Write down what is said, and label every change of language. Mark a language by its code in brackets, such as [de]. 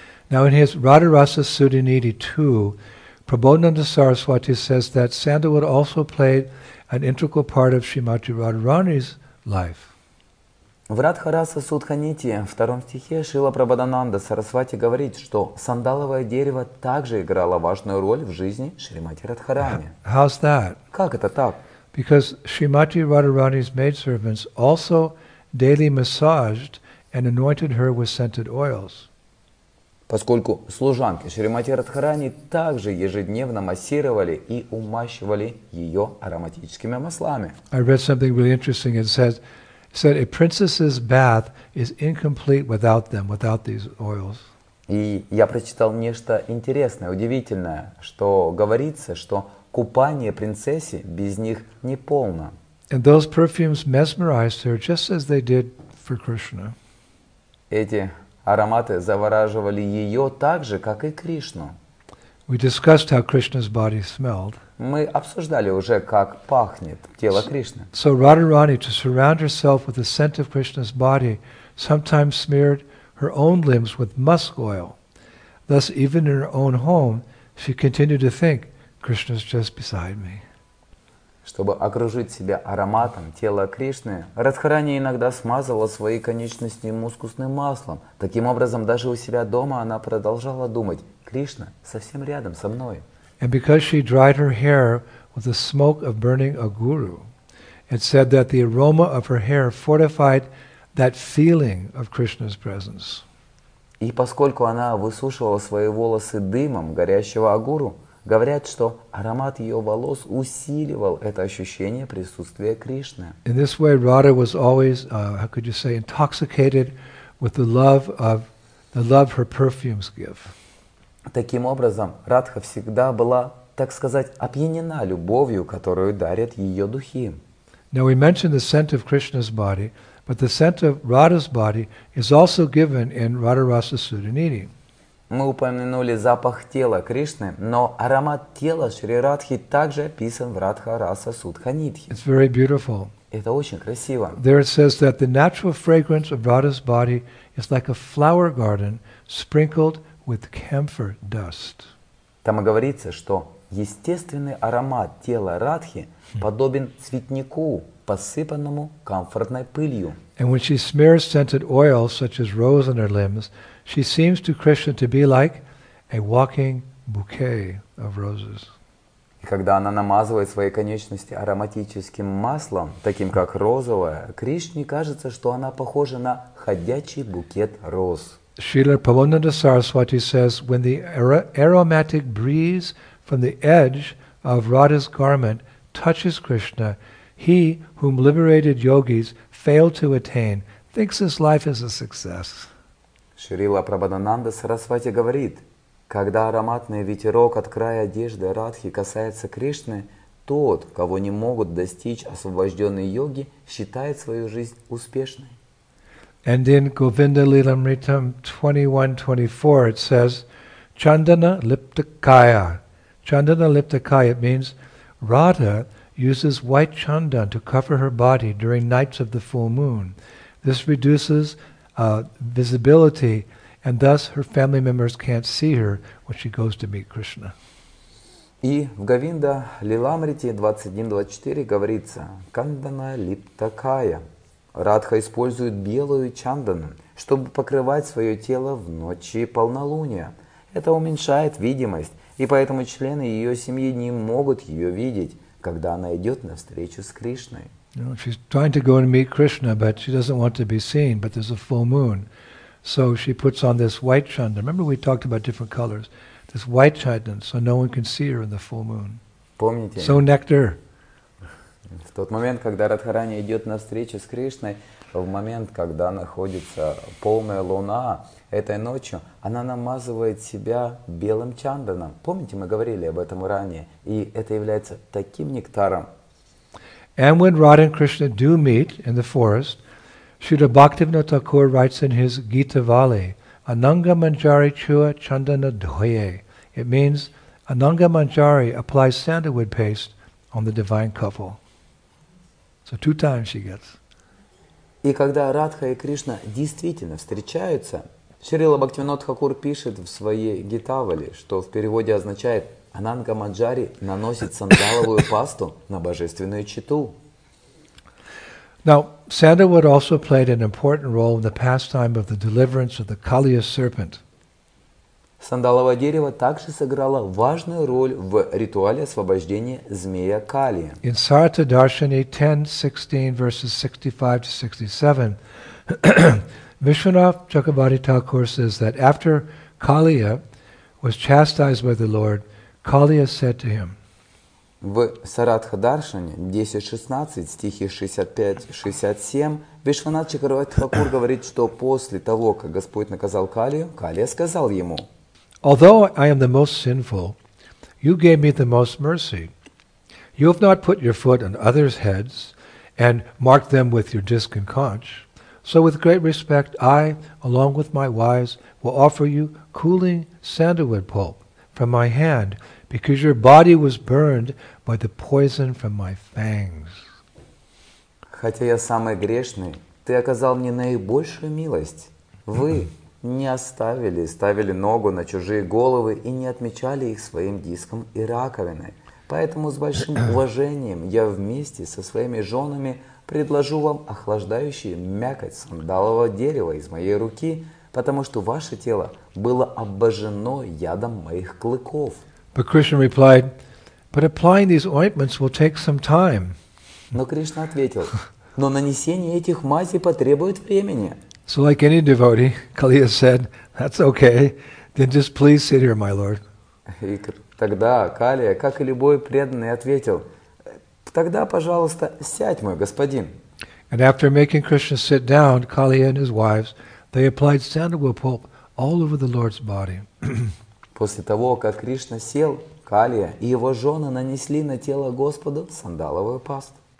[en] Now in his Radharasa Sudaniti 2, Prabodhananda Saraswati says that sandalwood also played an integral part of Srimati Radharani's life. [ru] В Радхараса Судханити, втором стихе, Шрила Прабхадананда Сарасвати говорит, что сандаловое дерево также играло важную роль в жизни Шримати Радхарани. [en] How's that? [ru] Как это так? [en] Because Srimati Radharani's maidservants also daily massaged and anointed her with scented oils. [ru] Поскольку служанки Шримати Радхарани также ежедневно массировали и умащивали ее ароматическими маслами. [en] I read something really interesting. It said a princess's bath is incomplete without them, without these oils. [ru] И я прочитал нечто интересное, удивительное, что говорится, что купание принцессы без них не полно. [en] And those perfumes mesmerized her just as they did for Krishna. [ru] Эти ароматы завораживали ее так же, как и Кришну. [en] We discussed how Krishna's body smelled. [ru] Мы обсуждали уже, как пахнет тело Кришны. [en] So Radharani, to surround herself with the scent of Krishna's body, sometimes smeared her own limbs with musk oil. Thus, even in her own home, she continued to think, Krishna's just beside me. [ru] Чтобы окружить себя ароматом тела Кришны, Радхарани иногда смазывала свои конечности мускусным маслом. Таким образом, даже у себя дома она продолжала думать, Кришна совсем рядом со мной. [en] And because she dried her hair with the smoke of burning aguru, it said that the aroma of her hair fortified that feeling of Krishna's presence. [ru] И поскольку она высушивала свои волосы дымом горящего агуру, говорят, что аромат ее волос усиливал это ощущение присутствия Кришны. [en] In this way, Radha was always, intoxicated with the love her perfumes give. [ru] Таким образом, Радха всегда была, так сказать, опьянена любовью, которую дарят ее духи. [en] Now we mentioned the scent of Krishna's body, But the scent of Radha's body is also given in Radharasa Sudaniti. [ru] Мы упомянули запах тела Кришны, но аромат тела Шри Радхи также описан в Радхараса Судханитхи. [en] It's very beautiful. [ru] Это очень красиво. [en] There it says that the natural fragrance of Radha's body is like a flower garden sprinkled with camphor dust. [ru] Там говорится, что естественный аромат тела Радхи подобен цветнику, посыпанному камфорной пылью. [en] And when she smears scented oil, such as rose, on her limbs, she seems to Krishna to be like a walking bouquet of roses. [ru] И когда она намазывает свои конечности ароматическим маслом, таким как розовое, Кришне кажется, что она похожа на ходячий букет роз. [en] Srila Pavananda Saraswati says, when the aromatic breeze from the edge of Radha's garment touches Krishna, he whom liberated yogis fail to attain thinks his life is a success. [ru] Шрила Прабхадананда Сарасвати говорит, когда ароматный ветерок от края одежды Радхи касается Кришны, тот, кого не могут достичь освобожденные йоги, считает свою жизнь успешной. [en] And in Govinda Lilamritam 21:24 it says, Chandana Liptakaya means Radha uses white chandan to cover her body during nights of the full moon. This reduces visibility, and thus her family members can't see her when she goes to meet Krishna. [ru] И в Говинда Лиламрите 21:24 говорится, Чандана Липтакая. Радха использует белую чандану, чтобы покрывать свое тело в ночи полнолуния. Это уменьшает видимость, и поэтому члены ее семьи не могут ее видеть, когда она идет на встречу с Кришной. [en] You know, she's trying to go and meet Krishna, but she doesn't want to be seen, but there's a full moon. So she puts on this white chandan. Remember we talked about different colors. This white chandan, so no one can see her in the full moon. [ru] Помните? [en] So nectar. [ru] В тот момент, когда Радхарани идет на встречу с Кришной, в момент, когда находится полная луна, этой ночью она намазывает себя белым чанданом. Помните, мы говорили об этом ранее, и это является таким нектаром. [en] And when Radha and Krishna do meet in the forest, Śrīla Bhaktivinoda Thakura writes in his Gita Vali, Ananga Manjari Chua Chandana Dhoye. It means Ananga Manjari applies sandalwood paste on the divine couple. So two times she gets. [ru] И когда Радха и Кришна действительно встречаются, Шрила Бхактивинода Тхакур пишет в своей Гитавали, что в переводе означает Ананга Манджари наносит сандаловую пасту на божественную читу. [en] Now, sandalwood also played an important role in the pastime of the deliverance of the Kaliya serpent. [ru] Сандаловое дерево также сыграло важную роль в ритуале освобождения змея Кали. [en] In Sarata Darshani 10.16, verses 65-67, Vishwanath Chakravarti Thakur says that after Kaliya was chastised by the Lord, Kaliya said to him, [ru] в Саратха Даршане 10.16, стихи 65-67, Вишванат Чакравати Тхакур говорит, что после того, как Господь наказал Калию, Калия сказал ему, [en] although I am the most sinful, you gave me the most mercy. You have not put your foot on others' heads and marked them with your disc and conch. So with great respect, I, along with my wives, will offer you cooling sandalwood pulp from my hand because your body was burned by the poison from my fangs. [ru] Хотя я самый грешный, ты оказал мне наибольшую милость. Вы не оставили, ставили ногу на чужие головы и не отмечали их своим диском и раковиной. Поэтому с большим уважением я вместе со своими женами предложу вам охлаждающую мякоть сандалового дерева из моей руки, потому что ваше тело было обожжено ядом моих клыков. [en] But Krishna replied, but applying these ointments will take some time. [ru] Но Кришна ответил, но нанесение этих мазей потребует времени. [en] So like any devotee, Kaliya said, that's okay, then just please sit here, my lord. [ru] И тогда Калия, как и любой преданный, ответил, тогда, пожалуйста, сядь, мой господин. [en] And after making Krishna sit down, Kaliya and his wives, they applied sandalwood pulp all over the lord's body. [ru] После того, как Кришна сел, Калия и его жены нанесли на тело Господа сандаловую пасту.